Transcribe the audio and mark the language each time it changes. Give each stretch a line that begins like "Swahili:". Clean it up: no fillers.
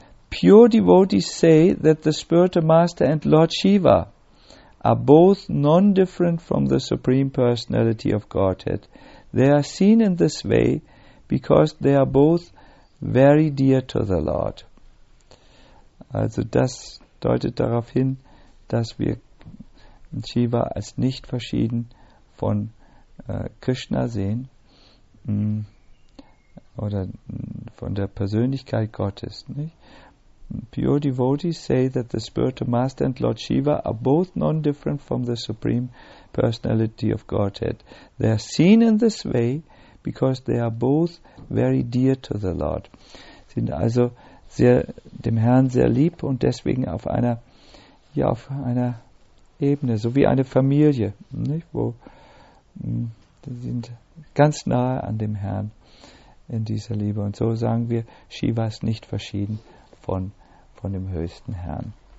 English: Pure devotees say that the spiritual master and Lord Shiva are both non-different from the Supreme Personality of Godhead. They are seen in this way because they are both very dear to the Lord.
German: Also das deutet darauf hin, dass wir Shiva als nicht verschieden von Krishna sehen. Oder von der Persönlichkeit Gottes. Nicht?
English: Pure devotees say that the spiritual master and Lord Shiva are both non-different from the Supreme Personality of Godhead. They are seen in this way because they are both very dear to the Lord.
German: Sind also sehr, dem Herrn sehr lieb und deswegen auf einer, ja, auf einer Ebene, so wie eine Familie, nicht? Wo sie sind ganz nahe an dem Herrn in dieser Liebe. Und so sagen wir, Shiva ist nicht verschieden von dem höchsten Herrn.